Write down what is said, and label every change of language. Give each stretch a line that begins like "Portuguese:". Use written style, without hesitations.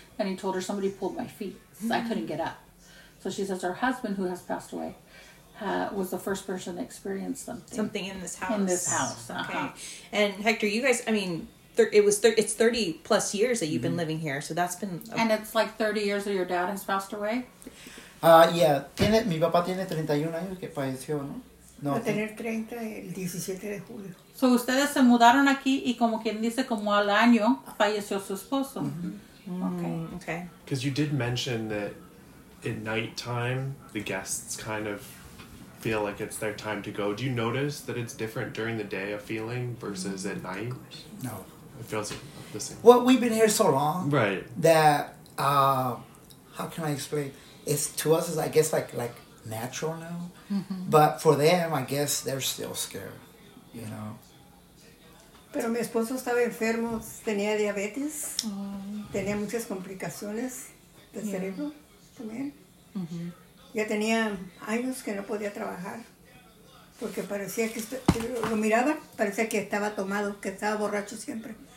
English: And he told her, somebody pulled my feet, so mm-hmm. I couldn't get up. So she says her husband, who has passed away, was the first person to experience something in this house. In this house, okay. Uh-huh. And Hector, you guys, I mean, it's 30 plus years that you've mm-hmm. been living here, so that's been... And it's like 30 years that your dad has passed away?
Spanish: Tiene, mi papá tiene 31 años que falleció, ¿no? No. Va a tener 30 el 17 de julio. So, ustedes se mudaron aquí y como quien dice, como al año, falleció su esposo.
English: Mm-hmm. Okay. Because you did mention that at nighttime, the guests kind of feel like it's their time to go. Do you notice that it's different during the day of feeling versus mm-hmm. at night? No. It feels the same. Well, we've been here so long. Right. That, how can I explain? It's to us, is I guess like natural now, mm-hmm. but for them, I guess they're still scared, you know.
Spanish: Pero mi esposo estaba enfermo, tenía diabetes, tenía muchas complicaciones del yeah. cerebro también. Mm-hmm. Ya tenía años que no podía trabajar, porque parecía que lo miraba, parecía que estaba tomado, que estaba borracho siempre.